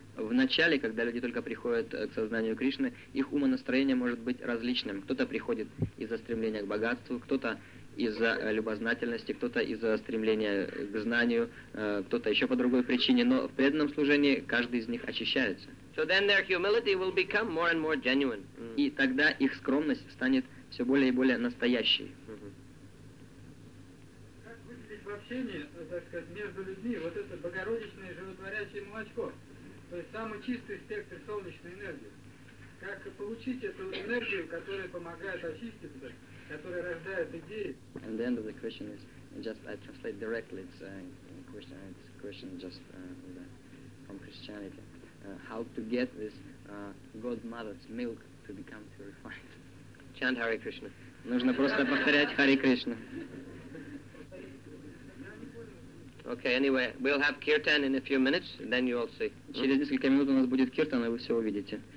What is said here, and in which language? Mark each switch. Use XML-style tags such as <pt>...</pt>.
<ru>В начале, когда люди только приходят к сознанию Кришны, их умонастроение может быть различным. Кто-то приходит из-за стремления к богатству, кто-то из-за любознательности, кто-то из-за стремления к знанию, кто-то еще по другой причине, но в преданном служении каждый из них очищается.</ru> <en>So then their humility will become more and more genuine.</en> <ru>И тогда их скромность станет все более и более настоящей. Как выглядит в общении, так сказать, между людьми вот это богородичное животворящее молочко, то есть самый чистый спектр солнечной энергии? Как получить эту энергию, которая помогает очиститься?</ru> <en>And the end of the question is, just I translate directly, it's a question, from Christianity. How to get this Godmother's milk to become purified? Chant Hare Krishna.</en> <ru>Нужно просто повторять Hare Krishna.</ru> <en>Okay, anyway, we'll have Kirtan in a few minutes, and then you'll see.</en> <ru>Через несколько минут у нас будет Kirtan, и вы все увидите.</ru>